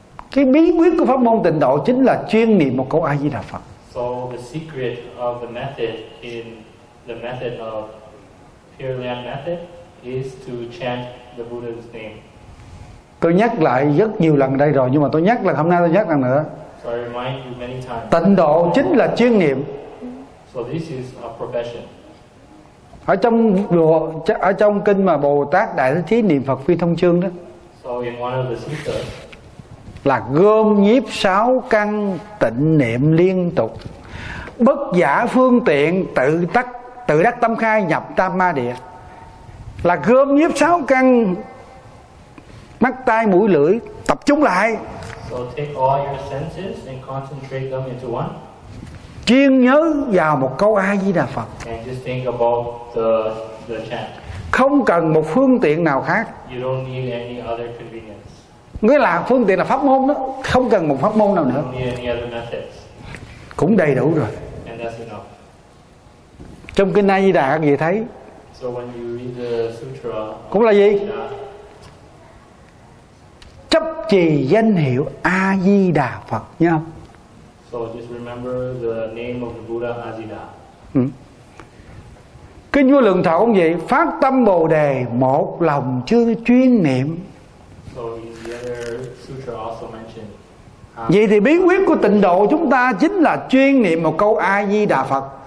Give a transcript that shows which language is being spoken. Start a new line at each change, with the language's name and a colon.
Vietnamese: Cái bí quyết của pháp môn Tịnh Độ chính là chuyên niệm một câu A Di Đà Phật.
English: So the secret of the method in the method of Pure Land method is to chant the Buddha's name.
Vietnamese: Tôi nhắc lại rất nhiều lần đây rồi, nhưng mà tôi nhắc là hôm nay tôi nhắc lần nữa.
English: So I remind you many times.
Vietnamese: Tịnh độ chính là chuyên niệm.
English: So this is a profession.
Vietnamese: Ở trong kinh mà Bồ Tát Đại Thế Chí niệm Phật Phi Thông Chương đó.
English: So in one of the sutras.
Vietnamese: Là gom nhiếp sáu căn tịnh niệm liên tục. Bất giả phương tiện tự đắc tâm khai nhập tam ma địa, là gom nhiếp sáu căn mắt tai mũi lưỡi tập trung lại.
English: So take all your senses and concentrate them into one.
Vietnamese: Chuyên nhớ vào một câu A Di Đà Phật.
English: And just think about the chant.
Vietnamese: Không cần một phương tiện nào khác.
English: You don't need any other convenience.
Vietnamese: Nghĩa là phương tiện là pháp môn đó, không cần một pháp môn nào nữa.
English: You don't need any other methods.
Vietnamese: Cũng đầy đủ rồi.
English: And that's enough.
Vietnamese: Trong kinh A Di Đà các vị thấy.
English: So when you read the sutra,
Vietnamese: cũng là gì? Chấp trì danh hiệu A Di Đà Phật nha.
English: So just remember the name of the Buddha, A Di Đà.
Vietnamese: Kinh Vô Lượng Thọ cũng vậy, phát tâm Bồ Đề một lòng chuyên niệm.
English: So in the other sutra also mentioned.
Vietnamese: Vậy thì bí quyết của tịnh độ chúng ta chính là chuyên niệm một câu A Di Đà Phật.